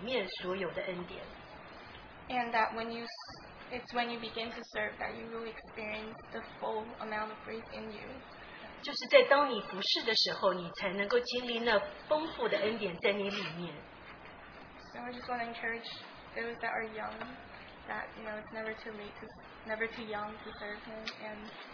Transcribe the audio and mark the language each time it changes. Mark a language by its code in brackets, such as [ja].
[zh] 那我非常感谢主，是因为我们的年龄并不是基于主要如何来使用我们，而是基于主在我们里面所有的恩典。 [en] And that when you, it's when you begin to serve that you really experience the full amount of grace in you. [zh] 就是在当你服事的时候，你才能够经历那丰富的恩典在你里面。 [en] So I just want to encourage those that are young, that you know it's never too late to, never too young to serve Him and.